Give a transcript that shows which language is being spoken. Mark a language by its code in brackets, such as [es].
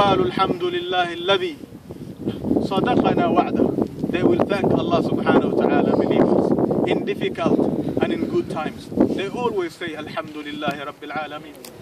[ar] الحمد لله الذي صدقنا وعده. [en] They will thank Allah subhanahu wa ta'ala, believers, in difficult and in good times. They always say, [ar] الحمد لله رب العالمين.